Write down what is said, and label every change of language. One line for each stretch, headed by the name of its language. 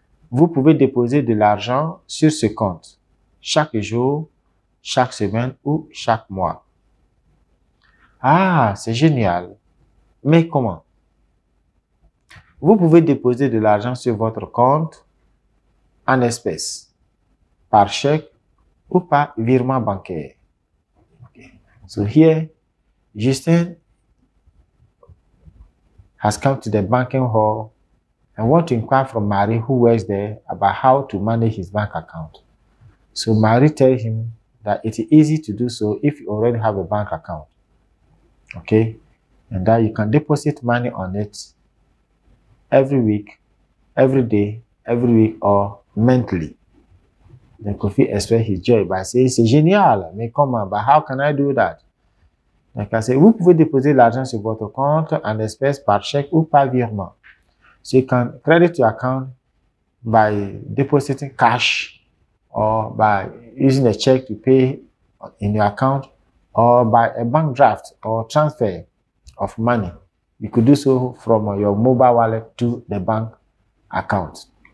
French: Vous pouvez déposer de l'argent sur ce compte chaque jour, chaque semaine ou chaque mois. Ah, c'est génial. Mais comment? Vous pouvez déposer de l'argent sur votre compte en espèces, par chèque, ou par virement bancaire.
English: So here, Justin has come to the banking hall and want to inquire from Marie, who works there, about how to manage his bank account. So Marie tells him that it is easy to do so if you already have a bank account. Okay? And that you can deposit money on it every week, every day, every week, or monthly. Then Kofi expressed his joy by saying,
French: c'est génial, mais comment,
English: but how can I do that? Like I said,
French: vous pouvez déposer l'argent sur votre compte en espèces par chèque ou par virement.
English: So you can credit your account by depositing cash or by using a check to pay in your account or by a bank draft or transfer of money. You could do so from your mobile wallet to the bank account.